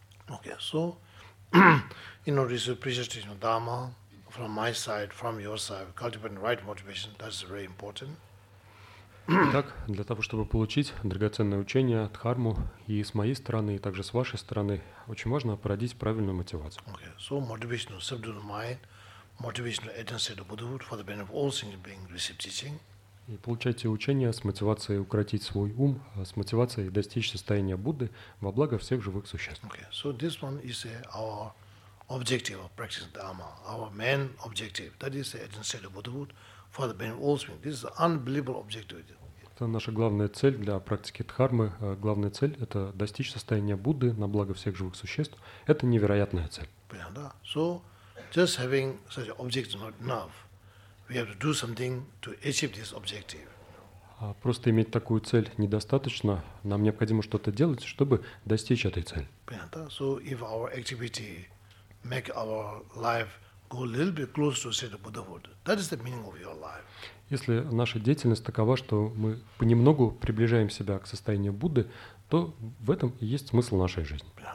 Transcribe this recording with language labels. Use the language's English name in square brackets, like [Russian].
[English] Okay, so you know, this appreciation of Dharma from my side, from your side, cultivating right motivation, that's very important. [Russian] Итак, для того, чтобы получить драгоценное учение, дхарму, и с моей стороны, и также с вашей стороны, очень важно породить правильную мотивацию. [English] Okay, so motivation to subdue the mind, motivation to attain state of Buddhahood for the benefit of all sentient beings, receive teaching. [Russian] И получайте учение с мотивацией укротить свой ум, с мотивацией достичь состояния Будды во благо всех живых существ. [English] Okay, so this one is our objective of practicing Dharma, our main objective, that is the attain state of Buddhahood. For the benefit of all beings, this is an unbelievable objective. [Russian] Это наша главная цель для практики дхармы. Главная цель – это достичь состояния Будды на благо всех живых существ. Это невероятная цель. [English] So, just having such an object is not enough. We have to do something to achieve this objective. [Russian] Просто иметь такую цель недостаточно. Нам необходимо что-то делать, чтобы достичь этой цели. [English] So, if our activity make our life go a little bit close to the Buddhahood. That is the meaning of your life. [Russian] Если наша деятельность такова, что мы понемногу приближаем себя к состоянию Будды, то в этом и есть смысл нашей жизни.